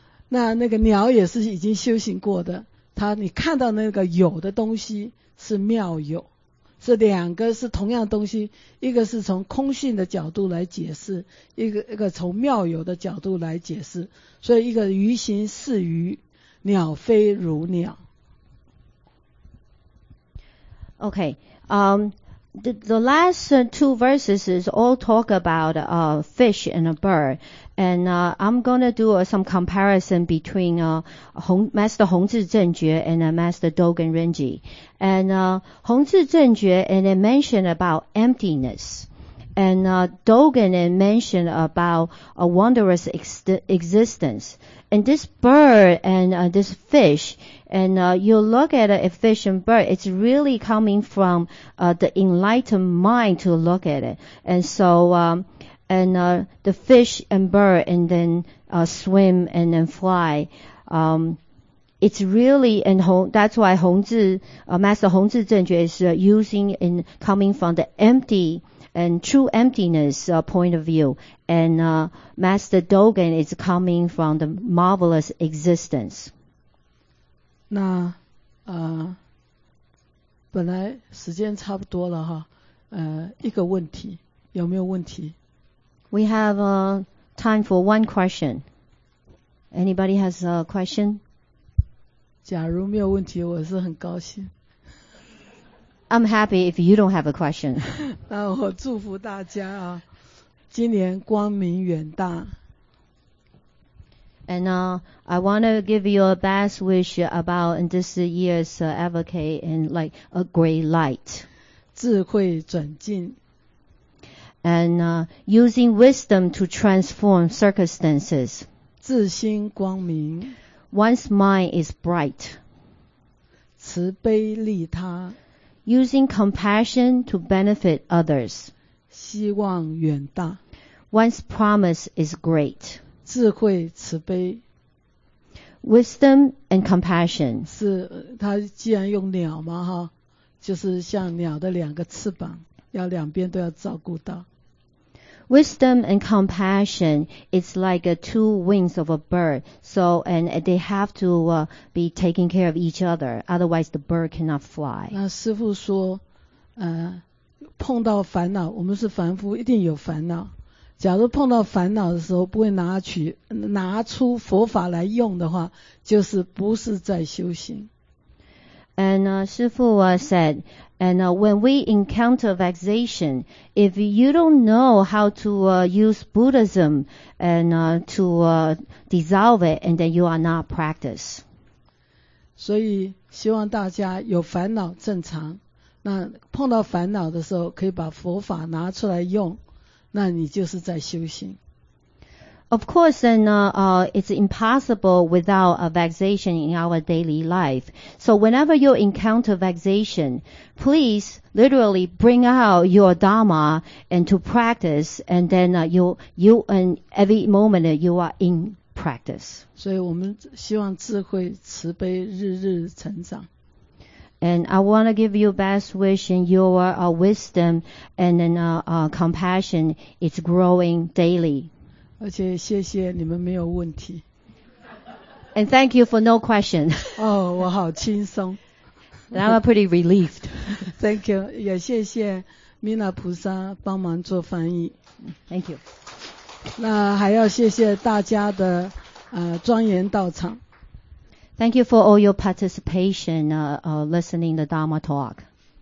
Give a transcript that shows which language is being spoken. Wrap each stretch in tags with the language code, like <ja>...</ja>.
<zh>那个鸟也是已经修行过的，它你看到那个有的东西是妙有，是两个是同样东西，一个是从空性的角度来解释，一个从妙有的角度来解释，所以一个鱼形似鱼，鸟飞如鸟。</zh> <en>Okay, the last two verses is all talk about a fish and a bird. And I'm going to do some comparison between Master Hongzhi Zhenjue and Master Dogen Rinji. And Hongzhi Zhenjue, and it mentioned about emptiness. And Dogen, it mentioned about a wondrous existence. And this bird and this fish, and you look at a fish and bird, it's really coming from the enlightened mind to look at it. And so, the fish and bird and then swim and then fly. It's really, and that's why Master Hongzhi Zhenjue is using in coming from the empty and true emptiness point of view, and Master Dogen is coming from the marvelous existence.</en> <zh>那本来时间差不多了哈，一个问题，有没有问题？</zh> <en>We have time for one question. Anybody has a question?</en> <zh>假如没有问题，我是很高兴。</zh> <en>I'm happy if you don't have a question.</en> <zh>那我祝福大家啊，今年光明远大。</zh> <en>And I want to give you a best wish about in this year's advocate and like a great light.</en> <zh>智慧转进。</zh> <en>And using wisdom to transform circumstances.</en> <zh>自心光明。</zh> <en>One's mind is bright.</en> <zh>慈悲利他。</zh> <en>Using compassion to benefit others.</en> <zh>希望远大。</zh> <en>One's promise is great.</en> <zh>智慧慈悲。</zh> <en>Wisdom and compassion.</en> <zh>是，他既然用鸟嘛，哈，就是像鸟的两个翅膀，要两边都要照顾到。</zh> <en>Wisdom and compassion is like two wings of a bird. So, and they have to be taking care of each other. Otherwise, the bird cannot fly.</en> <zh>那师父说，碰到烦恼，我们是凡夫，一定有烦恼。假如碰到烦恼的时候，不会拿出佛法来用的话，就是不是在修行。</zh> <en>And 师父said, and when we encounter vexation, if you don't know how to use Buddhism and to dissolve it, and then you are not practice.</en> <zh>所以希望大家有烦恼正常，那碰到烦恼的时候可以把佛法拿出来用，那你就是在修行。</zh> <en>Of course, and it's impossible without a vexation in our daily life. So whenever you encounter vexation, please literally bring out your Dharma and to practice, and then you and every moment you are in practice.</en> <zh>所以我们希望智慧慈悲日日成长。</zh> <en>And I want to give you best wish in your wisdom and then compassion is growing daily.</en> <zh>而且谢谢你们没有问题。</zh> <en>And thank you for no question.</en> <zh>哦、oh, 我好轻松。</zh> <en>And I'm pretty relieved. Thank you.</en> <zh>也谢谢弥勒菩萨帮忙做翻译。</zh> <en>Thank you.</en> <zh>那还要谢谢大家的庄严到场。</zh> <en>Thank you for all your participation, listening the Dharma talk.</en>